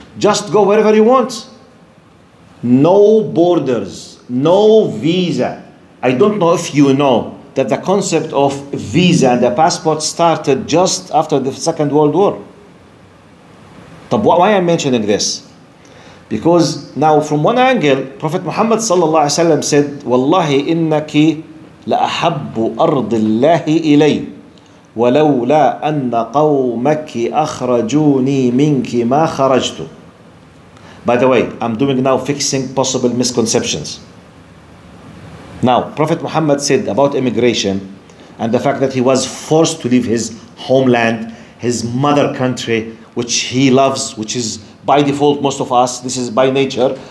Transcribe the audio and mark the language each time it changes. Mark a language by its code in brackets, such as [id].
[en] Just go wherever you want. No borders, no visa. I don't know if you know, that the concept of visa and the passport started just after the Second World War. Why am I mentioning this? Because now from one angle, Prophet Muhammad sallallahu alayhi wa sallam said, [ar] وَاللَّهِ إِنَّكِ لَأَحَبُّ أَرْضِ اللَّهِ إِلَيْهِ وَلَوْلَا أَنَّ قَوْمَكِ أَخْرَجُونِي مِنْكِ مَا خَرَجْتُ. [en] By the way, I'm doing now fixing possible misconceptions. Now, Prophet Muhammad said about immigration and the fact that he was forced to leave his homeland, his mother country, which he loves, which is by default, most of us, this is by nature.